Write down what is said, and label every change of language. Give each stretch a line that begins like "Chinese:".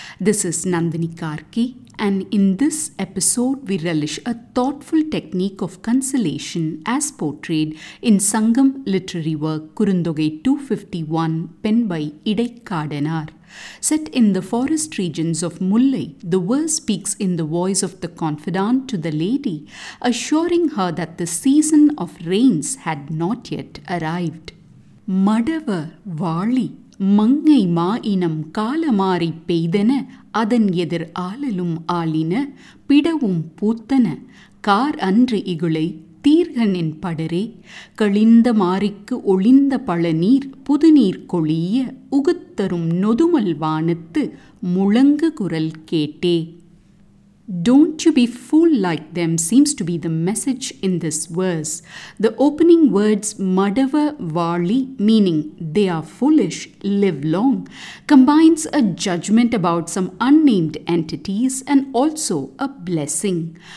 English: This is Nandini Karki, and in this episode we relish a thoughtful technique of consolation as portrayed in Sangam literary work Kurundogai 251, penned by Idaikkadanar. Set in the forest regions of Mullai, the verse speaks in the voice of the confidant to the lady, assuring her that the season of rains had not yet arrived.
Tamil: மடவர் வாழி மங்கை மா இனம் காலமாறி பெய்தன அதன் எதிர் ஆளலும் ஆளின பிடவும் பூத்தன car அன்று இகுளை தீர்கனின் படரே கழிந்த மாறிக்கு ஒளிந்த பழநீர் புதுநீர் கொளிய உகுத்தரும் நொதுமல் வானத்து முழங்கு குரல் கேட்டே.
English: Don't you be fooled like them seems to be the message in this verse. The opening words madava vali, meaning they are foolish, live long, combines a judgment about some unnamed entities and also a blessing.